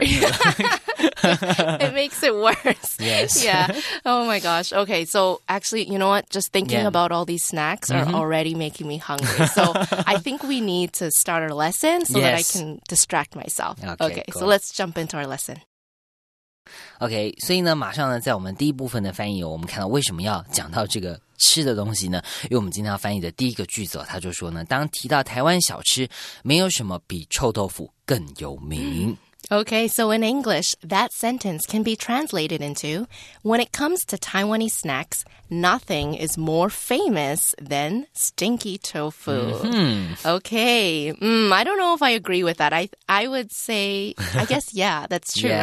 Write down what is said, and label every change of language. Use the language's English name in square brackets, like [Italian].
[English] It makes it worse. Yes. Yeah. Oh, my gosh. Okay, so actually, you know what? Just thinking about all these snacks are already making me hungry. So I think we need to start our lesson so that I can distract myself. Okay, cool. So let's jump into our lesson. [Chinese] OK, 所以呢马上呢在我们第一部分的翻译我们看到为什么要讲到这个吃的东西呢因为我们今天要翻译的第一个句子他就说呢当提到台湾小吃没有什么比臭豆腐更有名。 [English] OK, so in English, that sentence can be translated into, when it comes to Taiwanese snacks, nothing is more famous than stinky tofu. OK, I don't know if I agree with that. I would say, I guess, yeah, that's true, yeah.